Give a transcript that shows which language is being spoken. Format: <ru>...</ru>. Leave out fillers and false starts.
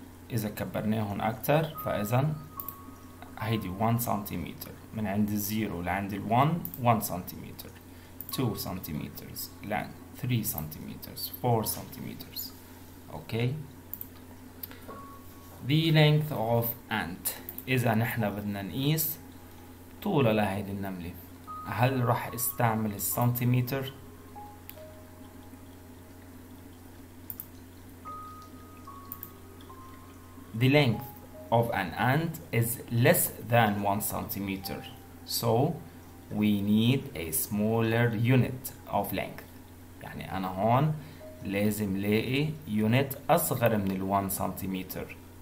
<ar>إذا كبرناهم أكتر فإذن هيدي 1 سنتيمتر من عند 0 لعند 1 سنتيمتر 2 سنتيمتر لعند 3 سنتيمتر 4 سنتيمتر. أوكي.</ar> <en>The length of ant.</en> <ar>إذا نحن بدنا نقيس طولة لهيدي النملة هل رح استعمل السنتيمتر؟</ar> <en>The length of an ant is less than 1 centimeter, so we need a smaller unit of length.</en> <ar>يعني أنا هون لازم لاقي unit أصغر من 1 centimeter.</ar>